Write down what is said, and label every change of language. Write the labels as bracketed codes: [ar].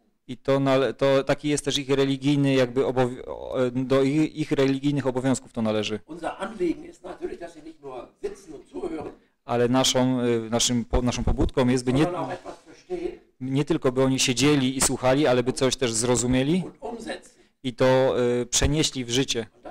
[pl] I to taki jest też ich religijny, jakby do ich religijnych obowiązków to należy. [de] Unser Anliegen ist natürlich, dass sie nicht nur sitzen und zuhören, [pl] ale naszą pobudką jest, by nie tylko by oni siedzieli i słuchali, ale by coś też zrozumieli i to przenieśli w życie.